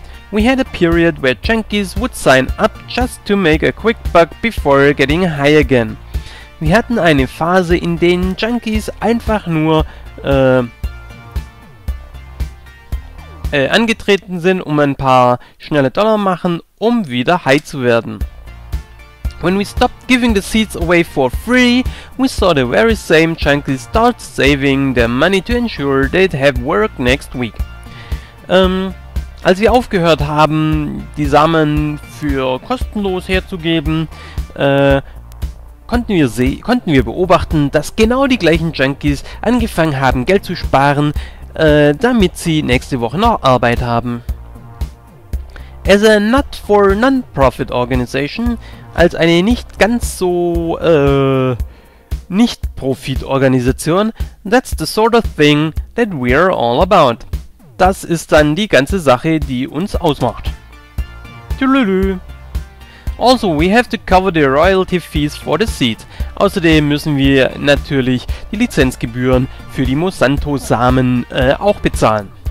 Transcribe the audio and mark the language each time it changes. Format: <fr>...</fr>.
<en>We had a period where junkies would sign up just to make a quick buck before getting high again.</en> <de>Wir hatten eine Phase, in denen Junkies einfach nur angetreten sind, um ein paar schnelle Dollar machen, um wieder high zu werden.</de> <en>When we stopped giving the seeds away for free, we saw the very same junkies start saving their money to ensure they'd have work next week.</en> <de>Als wir aufgehört haben, die Samen für kostenlos herzugeben, konnten wir beobachten, dass genau die gleichen Junkies angefangen haben, Geld zu sparen, damit sie nächste Woche noch Arbeit haben.</de> <en>As a not-for-non-profit organization,</en> <de>als eine nicht ganz so Nicht-Profit-Organisation,</de> <en>that's the sort of thing that we're all about.</en> <de>Das ist dann die ganze Sache, die uns ausmacht.</de> <en>Also, we have to cover the royalty fees for the seed.</en> <de>Außerdem müssen wir natürlich die Lizenzgebühren für die Monsanto-Samen auch bezahlen.</de>